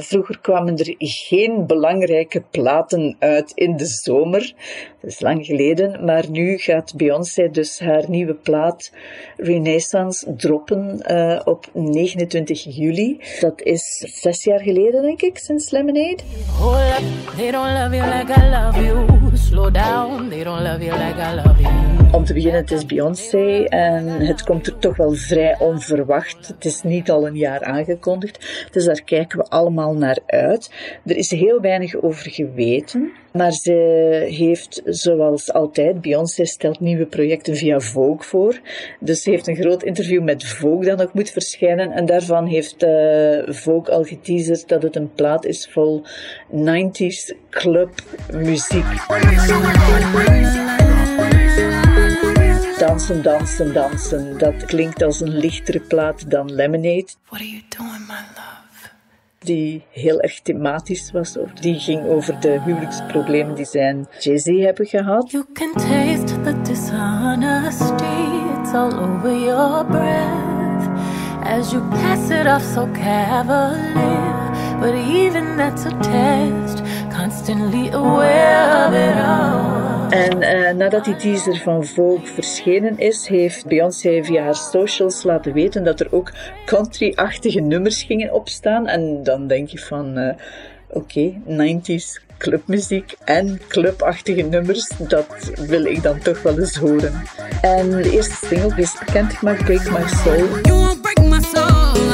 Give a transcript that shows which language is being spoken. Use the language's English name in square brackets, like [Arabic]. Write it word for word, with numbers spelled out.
[Dutch] Vroeger kwamen er geen belangrijke platen uit in de zomer. Dat is lang geleden, maar nu gaat Beyoncé dus haar nieuwe plaat Renaissance droppen uh, op negenentwintig juli. Dat is zes jaar geleden, denk ik, sinds Lemonade. [English] Hold up, they don't love you like I love you. Slow down, they don't love you like I love you. [Dutch] Om te beginnen, het is Beyoncé en het komt er toch wel vrij onverwacht. Het is niet al een jaar aangekondigd, dus daar kijken we allemaal naar uit. Er is heel weinig over geweten, maar ze heeft, zoals altijd, Beyoncé stelt nieuwe projecten via Vogue voor. Dus ze heeft een groot interview met Vogue dat nog moet verschijnen en daarvan heeft uh, Vogue al geteaserd dat het een plaat is vol negentiger jaren clubmuziek. Dansen, dansen, dansen. Dat klinkt als een lichtere plaat dan Lemonade. [English] What are you doing, my love? [Dutch] Die heel erg thematisch was. Die ging over de huwelijksproblemen die zij en Jay-Z hebben gehad. [English] You can taste the dishonesty. It's all over your breath. As you pass it off so cavalier. But even that's a test. Constantly aware of it all. [Dutch] En uh, nadat die teaser van Vogue verschenen is, heeft Beyoncé via haar socials laten weten dat er ook country-achtige nummers gingen opstaan. En dan denk je van, uh, oké, okay, negentiger jaren clubmuziek en clubachtige nummers, dat wil ik dan toch wel eens horen. En de eerste single is bekendgemaakt, Break My Soul. [English] You won't break my soul.